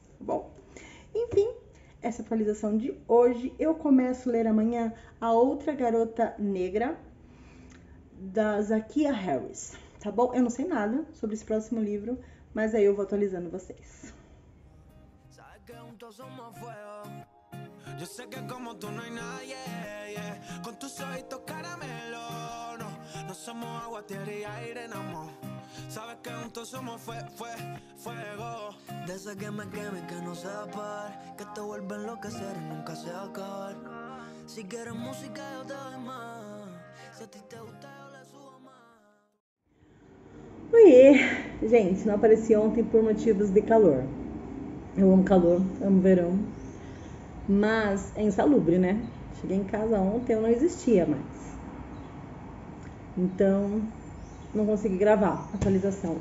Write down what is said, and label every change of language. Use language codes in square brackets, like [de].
[pt] Bom, enfim, essa atualização de hoje, eu começo a ler amanhã A Outra Garota Negra, da Zakiya Harris, tá bom? Eu não sei nada sobre esse próximo livro, mas aí eu vou atualizando vocês. [es] Que juntos somos fuego. Yo sé que como tú no hay nadie, yeah. Con tus ojitos caramelo, no. No somos agua, tierra y aire, no mo. Sabes que juntos somos fuego. De ese que me queme que no se apague. Que te vuelve a enloquecer y nunca se acabar. Si quieres música yo te doy más. Si a ti te gusta yo le subo más. [pt] Oiê, gente, não apareci ontem por motivos de calor. Eu amo calor, amo verão. Mas é insalubre, né? Cheguei em casa ontem, eu não existia mais. Então, não consegui gravar a atualização.